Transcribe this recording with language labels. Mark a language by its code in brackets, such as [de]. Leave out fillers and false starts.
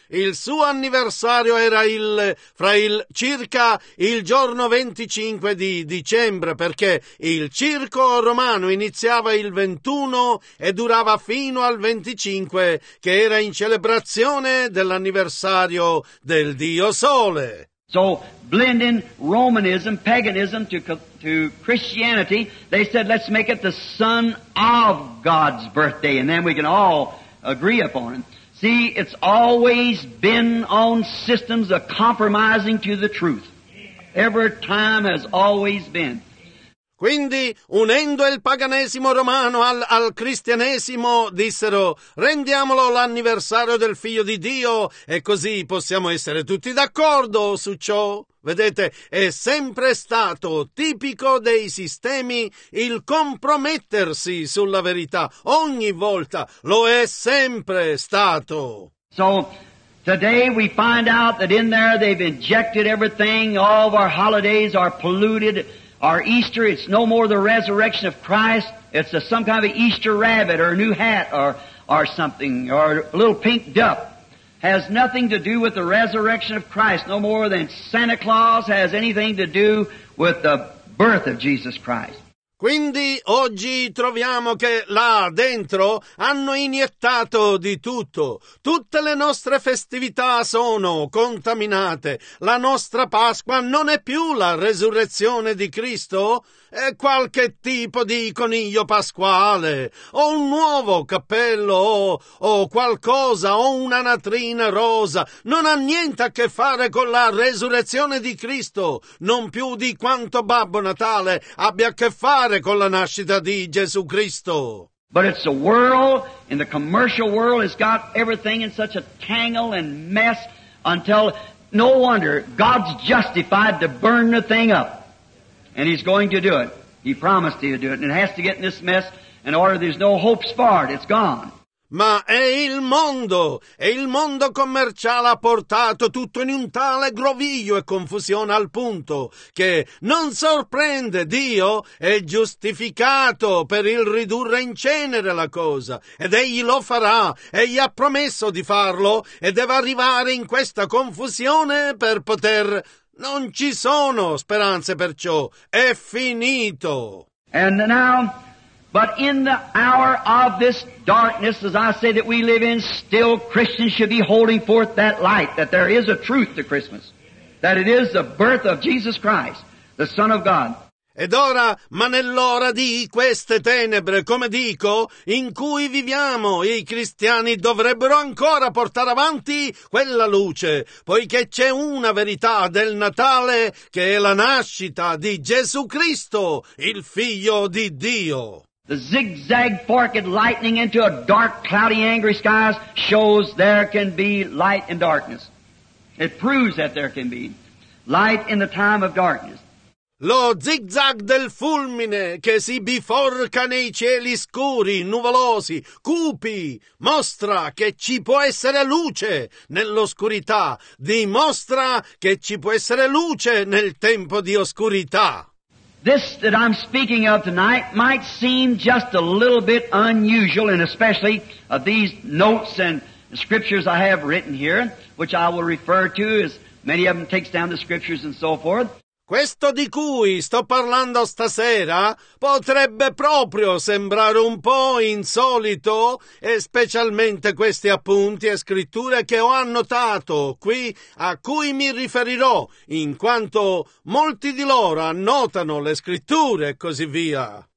[it] Il suo anniversario era circa il giorno 25 di dicembre, perché il circo romano iniziava il 21 e durava fino al 25, che era in celebrazione dell'anniversario del dio sole. [en] So, blending Romanism, paganism to Christianity, they said, let's make it the son of God's birthday, and then we can all agree upon it. See, it's always been on systems of compromising to the truth. Every time has always been. [it] Quindi, unendo il paganesimo romano al cristianesimo, dissero, rendiamolo l'anniversario del figlio di Dio, e così possiamo essere tutti d'accordo su ciò. Vedete, è sempre stato tipico dei sistemi il compromettersi sulla verità. Ogni volta lo è sempre stato. [en] So, today we find out that in there they've injected everything, all of our holidays are polluted. Our Easter, it's no more the resurrection of Christ, it's some kind of Easter rabbit or a new hat or something, or a little pink duck. Has nothing to do with the resurrection of Christ, no more than Santa Claus has anything to do with the birth of Jesus Christ. [it] Quindi oggi troviamo che là dentro hanno iniettato di tutto. Tutte le nostre festività sono contaminate. La nostra Pasqua non è più la resurrezione di Cristo. È qualche tipo di coniglio pasquale, o un nuovo cappello, o qualcosa, o una natrina rosa. Non ha niente a che fare con la resurrezione di Cristo, non più di quanto Babbo Natale abbia a che fare con la nascita di Gesù Cristo. [en] But it's the world, and the commercial world has got everything in such a tangle and mess, until no wonder God's justified to burn the thing up. And he's going to do it. He promised he would do it. And it has to get in this mess in order there's no hopes for it. It's gone. [it] Ma è il mondo, e il mondo commerciale ha portato tutto in un tale groviglio e confusione al punto che non sorprende Dio, è giustificato per il ridurre in cenere la cosa, ed egli lo farà, egli ha promesso di farlo, e deve arrivare in questa confusione per poter... Non ci sono speranze perciò. È finito. [en] And now But in the hour of this darkness, as I say that we live in, still Christians should be holding forth that light, that there is a truth to Christmas, that it is the birth of Jesus Christ, the Son of God. [it] Ed ora, ma nell'ora di queste tenebre, come dico, in cui viviamo, i cristiani dovrebbero ancora portare avanti quella luce, poiché c'è una verità del Natale che è la nascita di Gesù Cristo, il Figlio di Dio. [en] The zigzag forked lightning into a dark, cloudy, angry skies shows there can be light in darkness. It proves that there can be light in the time of darkness. [it] Lo zigzag del fulmine che si biforca nei cieli scuri, nuvolosi, cupi, mostra che ci può essere luce nell'oscurità, dimostra che ci può essere luce nel tempo di oscurità. [en] This that I'm speaking of tonight might seem just a little bit unusual, and especially of these notes and scriptures I have written here, which I will refer to as many of them takes down the scriptures and so forth. [it] Questo di cui sto parlando stasera potrebbe proprio sembrare un po' insolito, e specialmente questi appunti e scritture che ho annotato qui, a cui mi riferirò, in quanto molti di loro annotano le scritture e così via.